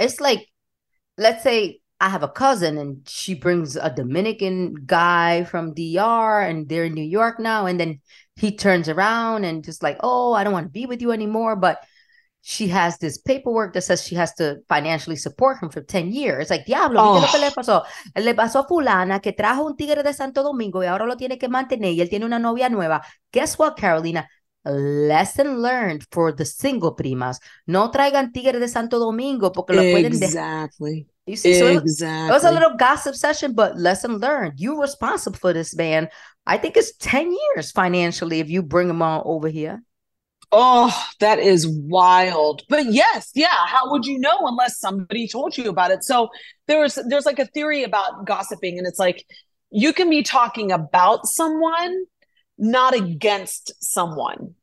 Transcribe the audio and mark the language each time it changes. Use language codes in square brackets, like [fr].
[en] It's like, let's say I have a cousin and she brings a Dominican guy from DR and they're in New York now. And then he turns around and just like, oh, I don't want to be with you anymore. But she has this paperwork that says she has to financially support him for 10 years. It's like, [es] diablo, ¿qué es lo que le pasó? Le pasó a fulana que trajo un tigre de Santo Domingo y ahora lo tiene que mantener y él tiene una novia nueva. [en] Guess what, Carolina? Lesson learned for the single primas. [es] No traigan tigre de Santo Domingo porque lo pueden dejar. [en] Exactly. You see, exactly. So it was a little gossip session, but lesson learned. You're responsible for this man. I think it's 10 years financially if you bring him all over here. Oh, that is wild. But yes, yeah. How would you know unless somebody told you about it? So there's like a theory about gossiping, and it's like you can be talking about someone, not against someone.